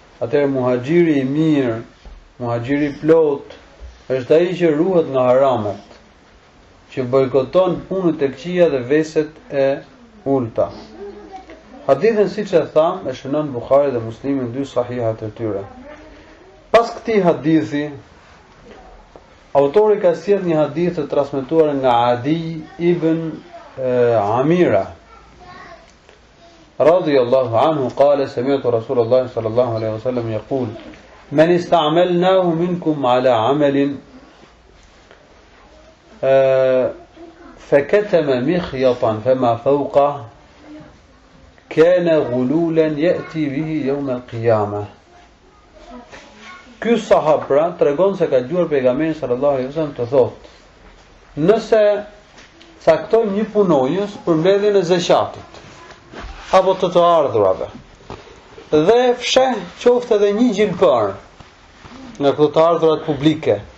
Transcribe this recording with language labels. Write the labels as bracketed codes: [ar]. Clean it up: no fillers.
[sq] Atëherë muhaxhiri I mirë, muhaxhiri I plot, është ai që ruhet nga haramat, që bojkoton punët e këqija dhe veset e ulta. Hadithin siç e tham, e shënon Buhari dhe Muslimi në dy sahihat e tyre. Pas këtij hadithi, autori ka sjell një hadith të transmetuar nga Adi ibn Amira. [ar] رضي الله عنه قال سمعت رسول الله صلى الله عليه وسلم يقول من استعملناه منكم على عمل فكتم مخيطا فما فوقه كان غلولا يأتي به يوم القيامة [sq] Ky sahab pra tregon se ka djuar pejgamberin sallallahu alaihi wasallam të thotë: "Nëse caktoj një punojës për mbledhjen e zeqatit apo të të ardhurave, dhe fsheh qoftë edhe një gjilpër nga këto të ardhurat publike,